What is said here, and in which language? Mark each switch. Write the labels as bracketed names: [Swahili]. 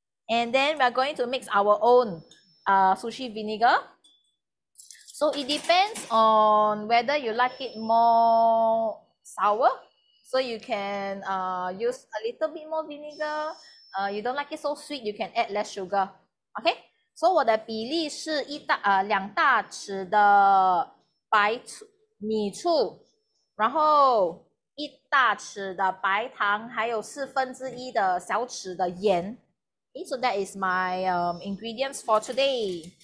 [English] And then we're going to mix our own sushi vinegar. So it depends on whether you like it more sour. So you can use a little bit more vinegar. You don't like it so sweet, you can add less sugar. Okay, so [Chinese] 我的比例是两大匙的白米醋, 然后一大匙的白糖, 还有1/4的小匙的盐. [English] Okay, so that is my ingredients for today.